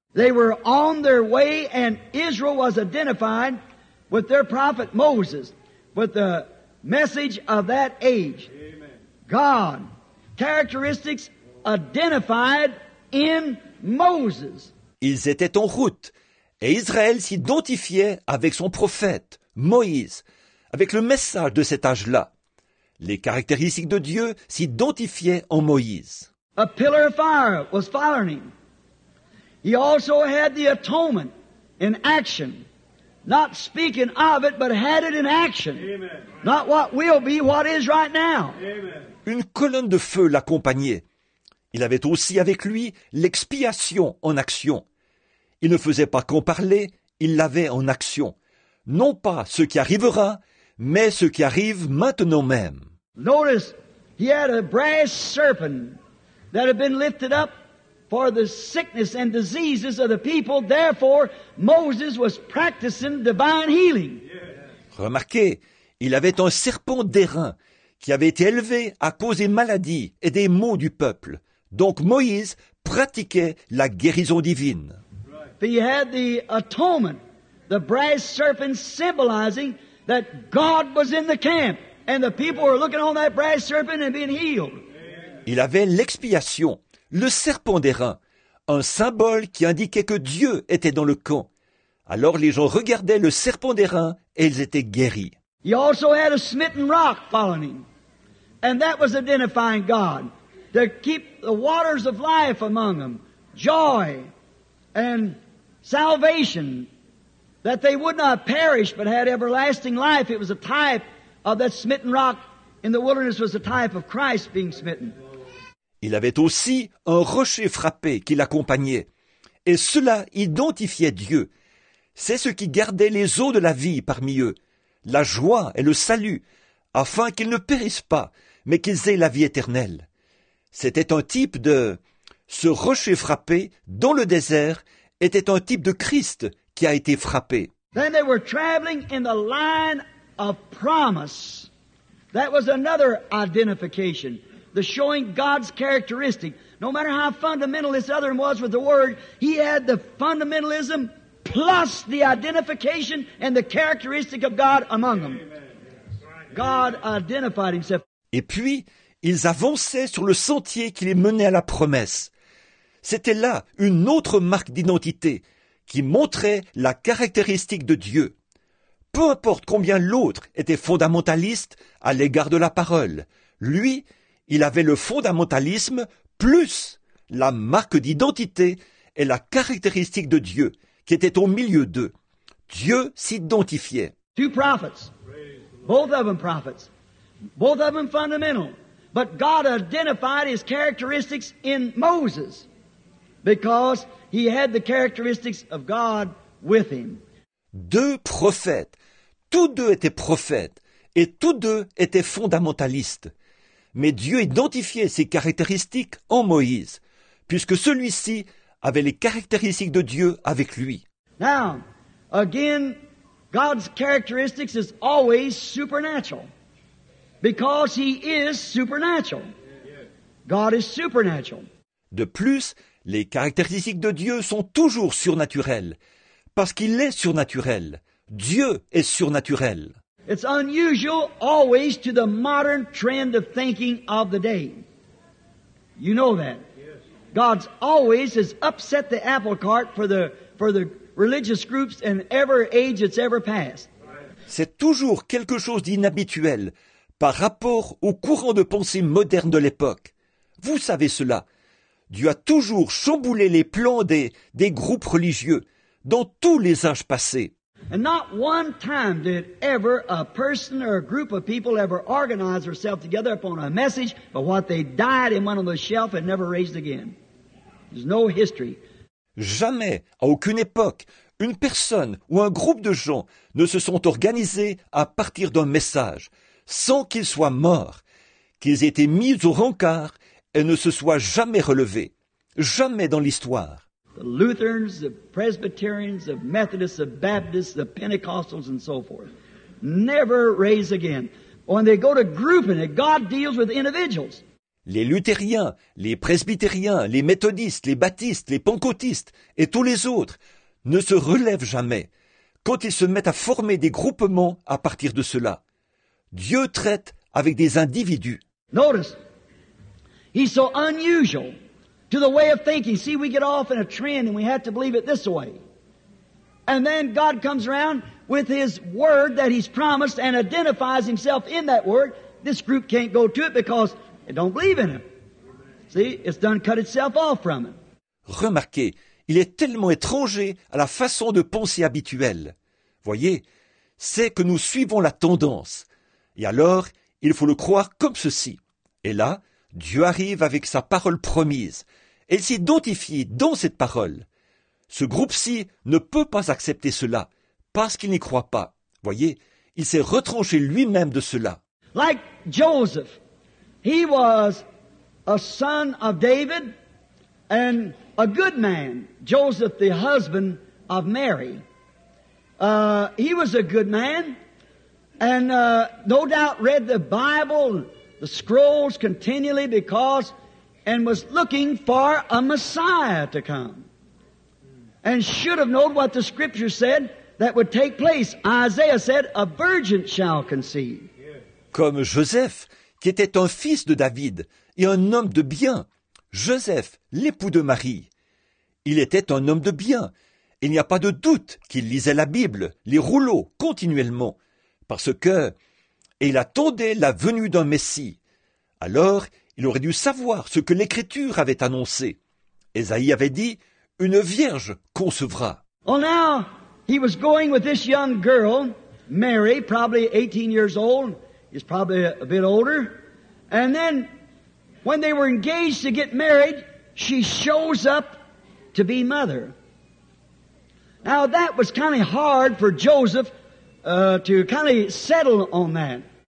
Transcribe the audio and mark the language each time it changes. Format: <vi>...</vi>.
<en>They were on their way and Israel was identified with their prophet Moses, with the message of that age. Amen. God, characteristics identified in Moses.</en> <fr>Ils étaient en route et Israël s'identifiait avec son prophète, Moïse, avec le message de cet âge-là. Les caractéristiques de Dieu s'identifiaient en Moïse.</fr> <en>A pillar of fire was following him. He also had the atonement in action. Not speaking of it, but had it in action. Amen. Not what will be, what is right now. Amen.</en> <fr>Une colonne de feu l'accompagnait. Il avait aussi avec lui l'expiation en action. Il ne faisait pas qu'en parler, il l'avait en action. Non pas ce qui arrivera, mais ce qui arrive maintenant même.</fr> <en>Notice, he had a brass serpent that had been lifted up for the sickness and diseases of the people. Therefore, Moses was practicing divine healing.</en> <fr>Remarquez, il avait un serpent d'airain qui avait été élevé à cause des maladies et des maux du peuple. Donc Moïse pratiquait la guérison divine.</fr> <en>He had the atonement, the brass serpent symbolizing that God was in the camp and the people were looking on that brass serpent and being healed.</en> <fr>Il avait l'expiation, le serpent d'airain, un symbole qui indiquait que Dieu était dans le camp. Alors les gens regardaient le serpent d'airain et ils étaient guéris.</fr> <en>He also had a smitten rock following him, and that was identifying God to keep the waters of life among them, joy and salvation, that they would not perish but had everlasting life. It was a type of that smitten rock in the wilderness, was a type of Christ being smitten.</en> <fr>Il avait aussi un rocher frappé qui l'accompagnait, et cela identifiait Dieu. C'est ce qui gardait les eaux de la vie parmi eux, la joie et le salut, afin qu'ils ne périssent pas, mais qu'ils aient la vie éternelle. C'était un type de... Ce rocher frappé, dans le désert, était un type de Christ qui a été frappé.</fr> <en>Then they were traveling in the line of promise. That was another identification. The showing God's characteristic. No matter how fundamental this other one was with the word, he had the fundamentalism plus the identification and the characteristic of God among them. God identified himself.</en> <fr>Et puis, ils avançaient sur le sentier qui les menait à la promesse. C'était là une autre marque d'identité qui montrait la caractéristique de Dieu. Peu importe combien l'autre était fondamentaliste à l'égard de la parole, lui, il avait le fondamentalisme plus la marque d'identité et la caractéristique de Dieu qui était au milieu d'eux. Dieu s'identifiait.</fr> <en>Two prophets, both of them prophets, both of them fundamental, but God identified his characteristics in Moses because he had the characteristics of God with him.</en> <fr>Deux prophètes, tous deux étaient prophètes et tous deux étaient fondamentalistes. Mais Dieu identifiait ses caractéristiques en Moïse, puisque celui-ci avait les caractéristiques de Dieu avec lui.</fr> <en>Now, again, God's characteristics is always supernatural, because he is supernatural. God is supernatural.</en> <fr>De plus, les caractéristiques de Dieu sont toujours surnaturelles, parce qu'il est surnaturel. Dieu est surnaturel.</fr> <en>It's unusual always to the modern trend of thinking of the day. You know that. God's always has upset the apple cart for the religious groups in every age it's ever passed.</en> <fr>C'est toujours quelque chose d'inhabituel par rapport au courant de pensée moderne de l'époque. Vous savez cela. Dieu a toujours chamboulé les plans des groupes religieux dans tous les âges passés.</fr> <en>And not one time did ever a person or a group of people ever organize themselves together upon a message, but what they died and went on the shelf and never raised again. There's no history.</en> <fr>Jamais, à aucune époque, une personne ou un groupe de gens ne se sont organisés à partir d'un message, sans qu'ils soient morts, qu'ils aient été mis au rancard et ne se soient jamais relevés. Jamais dans l'histoire.</fr> <en>The Lutherans, the Presbyterians, the Methodists, the Baptists, the Pentecostals, and so forth. Never raise again. When they go to grouping, God deals with individuals.</en> <fr>Les Luthériens, les Presbytériens, les Méthodistes, les Baptistes, les Pentecôtistes et tous les autres ne se relèvent jamais quand ils se mettent à former des groupements à partir de cela. Dieu traite avec des individus.</fr> <en>Notice, he's so unusual to the way of thinking. See, we get off in a trend and we have to believe it this way. And then God comes around with his word that he's promised and identifies himself in that word. This group can't go to it because they don't believe in him. See, it's done cut itself off from him.</en> <fr>Remarquez, Il est tellement étranger à la façon de penser habituelle. Voyez, c'est que nous suivons la tendance. Et alors, il faut le croire comme ceci. Et là, Dieu arrive avec sa parole promise. Elle s'identifie dans cette parole. Ce groupe-ci ne peut pas accepter cela, parce qu'il n'y croit pas. Voyez, il s'est retranché lui-même de cela.</fr> <en>Like Joseph, he was a son of David and a good man. Joseph, the husband of Mary, he was a good man and no doubt read the Bible, the scrolls continually because and was looking for a Messiah to come and should have known what the Scripture said that would take place. Isaiah said, a virgin shall conceive.</en> <fr>Comme Joseph, qui était un fils de David et un homme de bien. Joseph, l'époux de Marie. Il était un homme de bien. Il n'y a pas de doute qu'il lisait la Bible, les rouleaux, continuellement, parce que il attendait la venue d'un Messie. Alors, il aurait dû savoir ce que l'Écriture avait annoncé. Ésaïe avait dit, « Une vierge concevra. »</fr> <en>Well, now, he was going with this young girl, Mary, probably 18 years old. He's probably a bit older. And then, when they were engaged to get married, she shows up to be mother. Now, that was kind of hard for Joseph to kind of settle on that.</en>